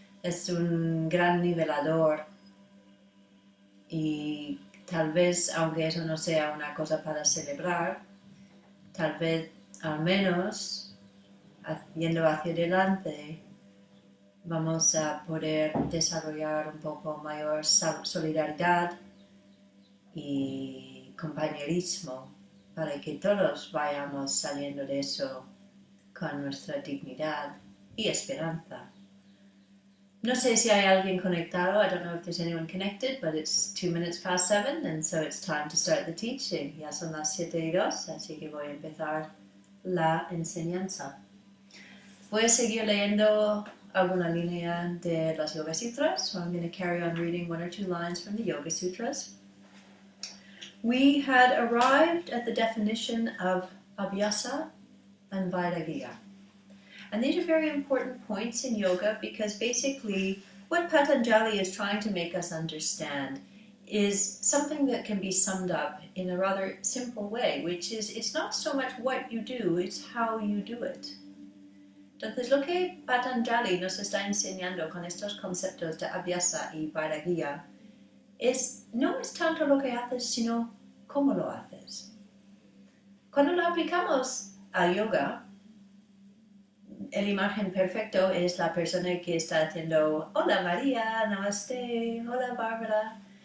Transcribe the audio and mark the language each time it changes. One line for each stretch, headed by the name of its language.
Spanish: Es un gran nivelador y tal vez, aunque eso no sea una cosa para celebrar, tal vez al menos, yendo hacia adelante, vamos a poder desarrollar un poco mayor solidaridad y compañerismo para que todos vayamos saliendo de eso con nuestra dignidad y esperanza. No sé si hay alguien conectado.
English: I don't know if there's anyone connected, but it's 7:02, and so it's time to start the teaching.
Spanish: Ya son las 7:02, así que voy a empezar la enseñanza. Voy a seguir leyendo alguna línea de las Yoga Sutras,
English: so I'm going to carry on reading one or two lines from the Yoga Sutras. We had arrived at the definition of Abhyasa and Vairagya. And these are very important points in yoga because basically what Patanjali is trying to make us understand is something that can be summed up in a rather simple way, which is it's not so much what you do, it's how you do it.
Spanish: Entonces lo que Patanjali nos está enseñando con estos conceptos de Abhyasa y Vairagya es no es tanto lo que haces, sino cómo lo haces. Cuando lo aplicamos a yoga, el imagen perfecto es la persona que está haciendo hola María, namaste, hola Bárbara.